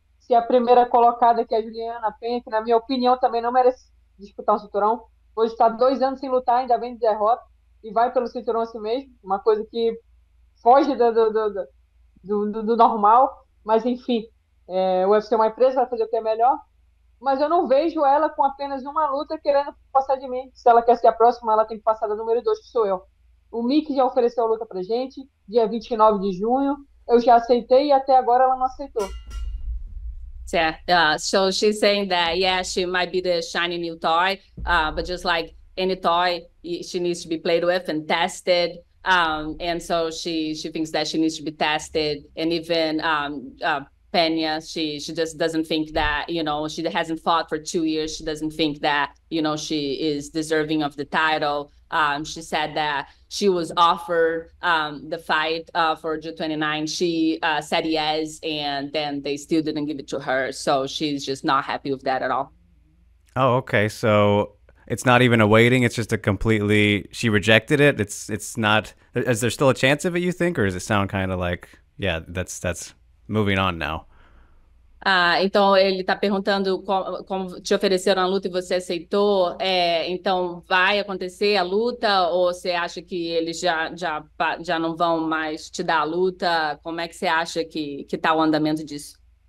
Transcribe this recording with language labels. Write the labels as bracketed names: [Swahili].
[Portuguese] Se a primeira colocada, que é a Juliana Penha, que na minha opinião também não merece disputar o cinturão, hoje está 2 anos sem lutar, ainda vem de derrota, e vai pelo cinturão assim mesmo, uma coisa que foge do normal, mas enfim, o UFC é uma empresa, vai fazer o que é melhor. Mas eu não vejo ela com apenas uma luta querendo passar de mim. Se ela quer ser a próxima, ela tem que passar da número 2, que sou eu. O Mick já ofereceu a luta pra gente, dia 29 de junho. Eu já aceitei e até agora ela não aceitou. [English] So she's saying that, yeah, she might be the shiny new toy, but just like any toy, she needs to be played with and tested. And so she thinks that she needs to be tested. And even Pena, she just doesn't think that, she hasn't fought for 2 years. She doesn't think that, she is deserving of the title. She said that she was offered the fight for June 29. She said yes, and then they still didn't give it to her. So she's just not happy with that at all. Oh, okay. So it's not even a waiting. It's just a completely, she rejected it. It's not, is there still a chance of it, you think? Or does it sound kind of like, yeah, that's moving on now? [Portuguese] Ah, então ele está perguntando como te ofereceram a luta e você aceitou. É, então vai acontecer a luta ou você acha que eles já não vão mais te dar a luta? Como é que você acha que está o andamento disso?